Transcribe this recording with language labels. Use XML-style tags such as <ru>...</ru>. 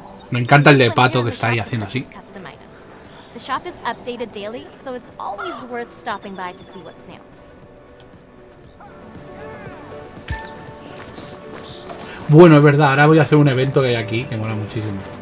<es>Me encanta el de pato que está ahí haciendo así.</es> <en>The shop is updated daily, so it's always worth stopping by to see what's new.</en> <es>Bueno, es verdad, ahora voy a hacer un evento que hay aquí, que mola muchísimo.</es>